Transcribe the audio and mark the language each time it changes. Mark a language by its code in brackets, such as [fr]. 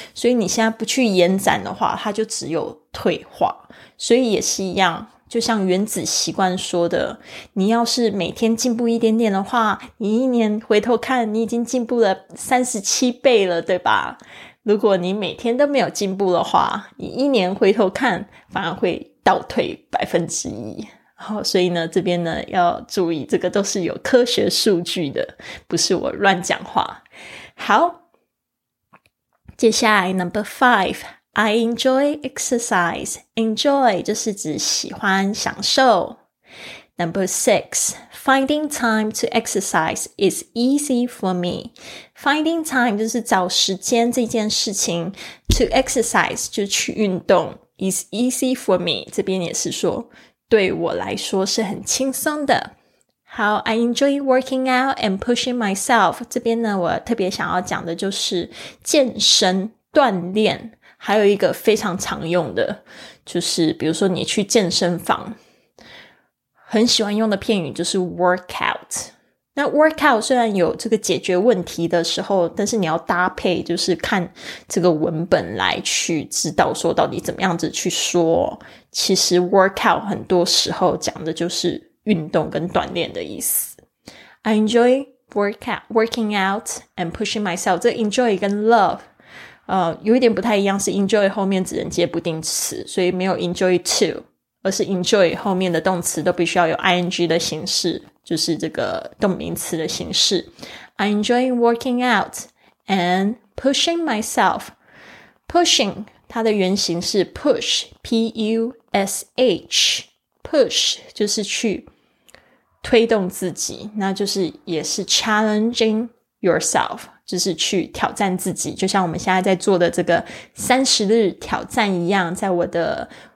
[zh] 所以你现在不去延展的话它就只有退化，所以也是一样，就像原子习惯说的，你要是每天进步一点点的话，你一年回头看你已经进步了37倍了对吧。如果你每天都没有进步的话，你一年回头看反而会倒退1%。好，所以呢这边呢要注意，这个都是有科学数据的，不是我乱讲话。好，接下来 [en] Number 5，I enjoy exercise. [zh] Enjoy 就是指喜欢享受。 [en] Number 6， Finding time to exercise is easy for me. Finding time [zh] 就是找时间这件事情， [en] to exercise [zh] 就去运动， [en] is easy for me [zh] 这边也是说对我来说是很轻松的。好， [en] I enjoy working out and pushing myself. [zh] 这边呢我特别想要讲的就是健身锻炼。还有一个非常常用的就是比如说你去健身房很喜欢用的片语就是 workout，那 workout 虽然有这个解决问题的时候，但是你要搭配就是看这个文本来去知道说到底怎么样子去说。其实 workout 很多时候讲的就是运动跟锻炼的意思。 [en] I enjoy working out and pushing myself. [zh] 这 enjoy 跟 love 有一点不太一样，是 enjoy 后面只能接不定词，所以没有 enjoy to， 而是 enjoy 后面的动词都必须要有 ing 的形式，就是这个动名词的形式。 [en] I enjoy working out and pushing myself. [zh] Pushing 它的原型是 push， P-U-S-H， push 就是去推动自己，那就是也是 [en] challenging yourself， [zh] 就是去挑战自己，就像我们现在在做的这个30日挑战一样，在我的